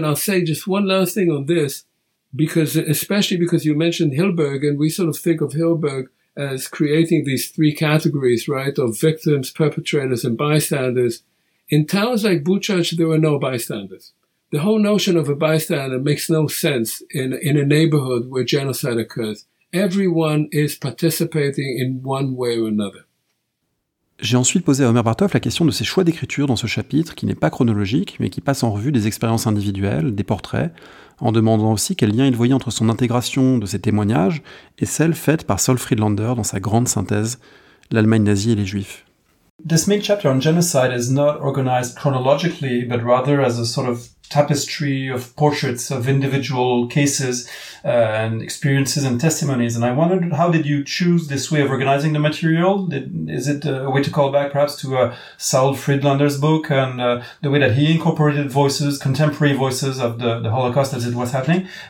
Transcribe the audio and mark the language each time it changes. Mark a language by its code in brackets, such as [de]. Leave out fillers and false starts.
[en] And I'll say just one last thing on this, especially because you mentioned Hilberg, and we sort of think of Hilberg as creating these three categories, right, of victims, perpetrators, and bystanders. In towns like Buchach, there were no bystanders. The whole notion of a bystander makes no sense in a neighborhood where genocide occurs. Everyone is participating in one way or another. [fr] J'ai ensuite posé à Omer Bartov la question de ses choix d'écriture dans ce chapitre qui n'est pas chronologique, mais qui passe en revue des expériences individuelles, des portraits, en demandant aussi quel lien il voyait entre son intégration de ses témoignages et celle faite par Sol Friedlander dans sa grande synthèse « L'Allemagne nazie et les Juifs ». [en] This main chapter on genocide is not organized chronologically, but rather as a sort of tapestry of portraits of individual cases and experiences and testimonies. And I wondered, how did you choose this way of organizing the material? Is it a way to call back perhaps to Saul Friedlander's book and the way that he incorporated voices, contemporary voices of the Holocaust as it was happening?